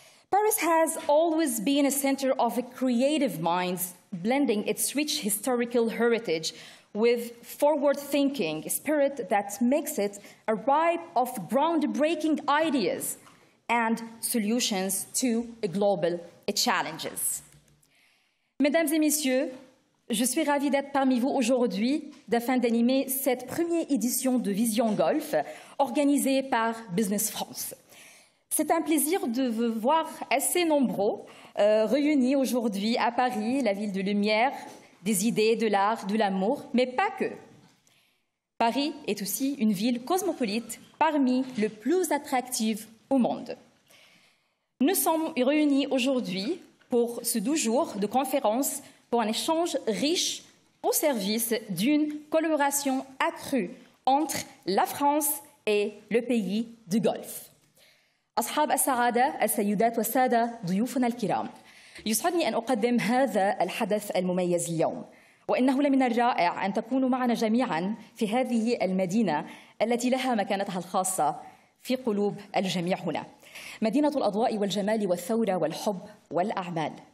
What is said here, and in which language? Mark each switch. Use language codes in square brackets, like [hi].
[en] Paris has always been a center of creative minds, blending its rich historical heritage with forward-thinking spirit that makes it a ripe of groundbreaking ideas and solutions to global challenges. [fr] Mesdames et messieurs, je suis ravie d'être parmi vous aujourd'hui afin d'animer cette première édition de Vision Golfe organisée par Business France. C'est un plaisir de vous voir assez nombreux réunis aujourd'hui à Paris, la ville de lumière, des idées, de l'art, de l'amour, mais pas que. Paris est aussi une ville cosmopolite parmi les plus attractives au monde. Nous sommes réunis aujourd'hui pour ce 12 jours de conférence pour un échange riche au service d'une collaboration accrue entre la France et le pays du Golfe. [ar] أصحاب السعادة السيدات والسادة ضيوفنا الكرام يسعدني أن أقدم هذا الحدث المميز اليوم وإنه لمن الرائع أن تكونوا معنا جميعا في هذه المدينة التي لها مكانتها الخاصة في قلوب الجميع هنا مدينة الأضواء والجمال والثورة والحب والأعمال